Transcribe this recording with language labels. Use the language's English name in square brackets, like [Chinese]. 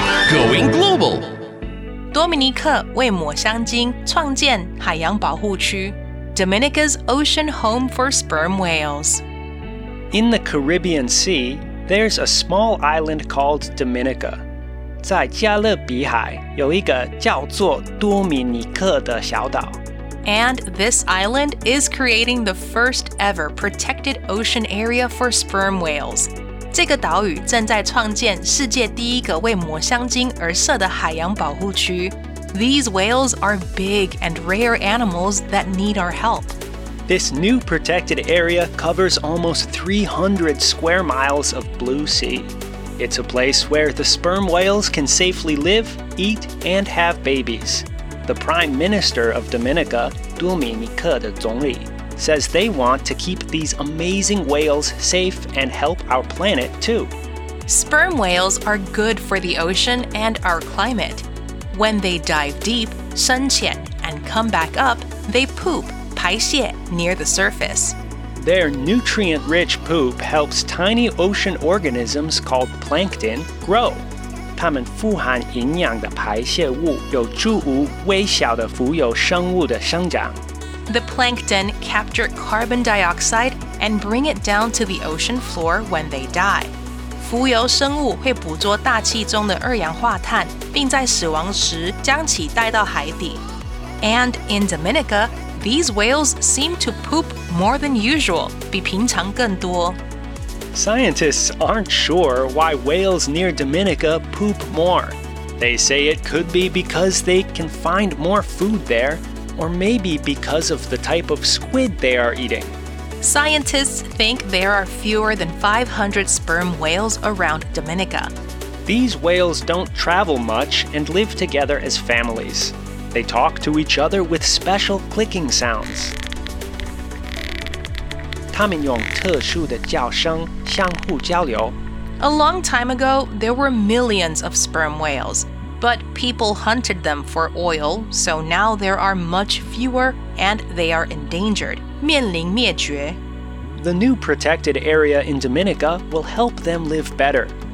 [English] Going global! [Chinese] Dominica 为抹香鲸创建海洋保护区 [English] Dominica's Ocean Home for Sperm Whales. In the Caribbean Sea,There's a small island called Dominica. [Chinese] 在加勒比海有一个叫做多米尼克的小岛。 [English] And this island is creating the first ever protected ocean area for sperm whales. [Chinese] 这个岛屿正在创建世界第一个为抹香鲸而设的海洋保护区。 [English] These whales are big and rare animals that need our help. This new protected area covers almost 300 square miles of blue sea. It's a place where the sperm whales can safely live, eat, and have babies. The Prime Minister of Dominica, [Chinese] 多米尼克的总理, [English] says they want to keep these amazing whales safe and help our planet too. Sperm whales are good for the ocean and our climate. When they dive deep, 深潜, and come back up, they poop. 排泄 near the surface. Their nutrient-rich poop helps tiny ocean organisms called plankton grow. [Chinese] 它们富含营养的排泄物有助于微小的浮游生物的生长。 [English] The plankton capture carbon dioxide and bring it down to the ocean floor when they die. [Chinese] 浮游生物会捕捉大气中的二氧化碳并在死亡时将其带到海底。 [English] And in Dominica,These whales seem to poop more than usual, [Chinese] 比平常更多。 [English] Scientists aren't sure why whales near Dominica poop more. They say it could be because they can find more food there, or maybe because of the type of squid they are eating. Scientists think there are fewer than 500 sperm whales around Dominica. These whales don't travel much and live together as families. They talk to each other with special clicking sounds. [Chinese] 他们用特殊的叫声相互交流。 [English] A long time ago, there were millions of sperm whales, but people hunted them for oil, so now there are much fewer and they are endangered. [Chinese] 面临灭绝。 [English] The new protected area in Dominica will help them live better.